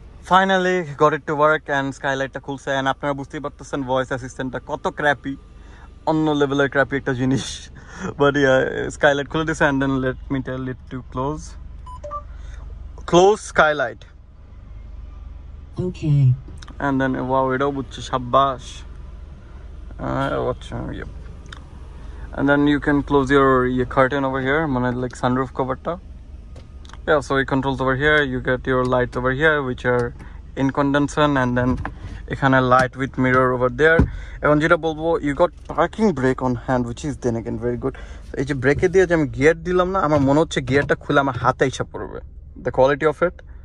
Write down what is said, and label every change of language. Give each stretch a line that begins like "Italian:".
English: Finally got it to work and skylightটা
Bangla: খুলছে। And আপনারা বুঝতেই পারতেছেন ভয়েস অ্যাসিস্ট্যান্টটা কত ক্র্যাপি, অন্য লেভেলের ক্র্যাপি একটা জিনিস।
English: But yeah, skylight
Bangla: খুলে দিছে,
English: and then let me tell it to close. Close skylight. Okay. And then wow,
Bangla: এটাও বুঝছে, শাবাশ। আচ্ছা,
English: yep. And then you can close your curtain over here,
Bangla: মানে
English: like sunroof coverটা. Yeah, so it controls over here, you get your lights over here which are incandescent, and then
Bangla: এখানে
English: Light with mirror over there.
Bangla: এখন যেটা বলবো,
English: You got parking brake on hand which is then again very good.
Bangla: এই যে ব্রেকে দিয়ে যে আমি গিয়ার দিলাম না, আমার মনে হচ্ছে গিয়ারটা খুলে আমার হাতে ইচ্ছা পড়বে,
English: The quality of it.